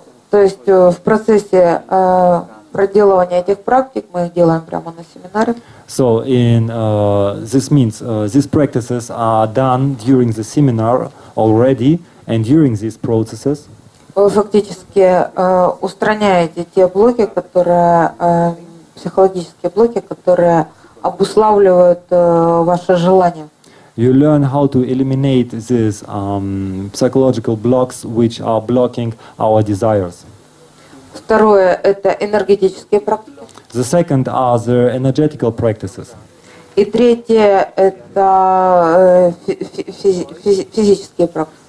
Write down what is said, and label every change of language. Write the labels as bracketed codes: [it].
[ru] То есть в процессе проделывания этих практик мы их делаем прямо на семинаре. [en] So in this means these practices are done during the seminar already and during these processes. [ru] Вы фактически устраняете те блоки, которые психологические блоки, которые обуславливают ваше желание. [en] You learn how to eliminate these psychological blocks, which are blocking our desires. [ru] Второе – это энергетические практики. [en] The second are the energetical practices. [ru] И третье – это физические практики.